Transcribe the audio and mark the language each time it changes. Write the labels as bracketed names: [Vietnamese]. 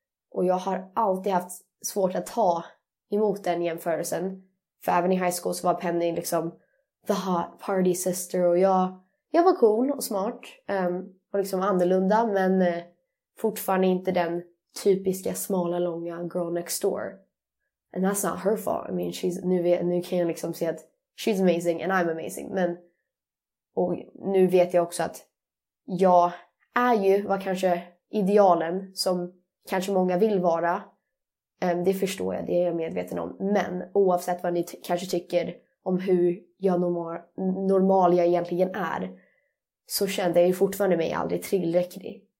[Swedish] Och jag har alltid haft svårt att ta emot den jämförelsen. För även i high school så var Penny liksom [English] the hot party sister. [Swedish] Och jag var cool och smart. Och liksom annorlunda. Men fortfarande inte den typiska smala, långa [English] girl next door. And that's not her fault. I mean, [Swedish] nu kan jag liksom se att [English] she's amazing and I'm amazing. [Swedish] Men, och nu vet jag också att jag är ju vad kanske idealen som kanske många vill vara. Det förstår jag, det är jag medveten om. Men oavsett vad ni kanske tycker om hur jag normal jag egentligen är, så kände jag ju fortfarande mig aldrig tillräcklig.